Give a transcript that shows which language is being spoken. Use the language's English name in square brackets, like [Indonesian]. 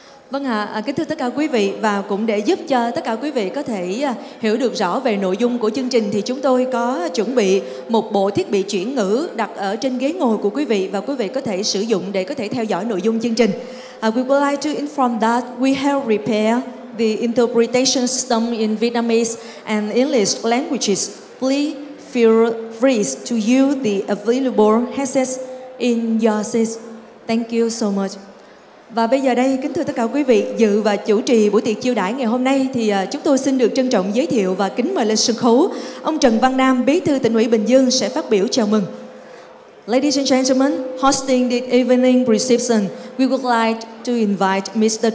[Vietnamese] Vâng ạ, kính thưa tất cả quý vị, và cũng để giúp cho tất cả quý vị có thể hiểu được rõ về nội dung của chương trình thì chúng tôi có chuẩn bị một bộ thiết bị chuyển ngữ đặt ở trên ghế ngồi của quý vị và quý vị có thể sử dụng để có thể theo dõi nội dung chương trình. [English] We would like to inform that we have repaired the interpretation system in Vietnamese and English languages. Please feel free to use the available headsets in your seats. Thank you so much. [Vietnamese] Và bây giờ đây, kính thưa tất cả quý vị, dự và chủ trì buổi tiệc chiêu đãi ngày hôm nay thì chúng tôi xin được trân trọng giới thiệu và kính mời lên sân khấu ông Trần Văn Nam, Bí thư Tỉnh ủy Bình Dương sẽ phát biểu chào mừng. [English] Ladies and gentlemen, hosting the evening reception, we would like to invite Mr.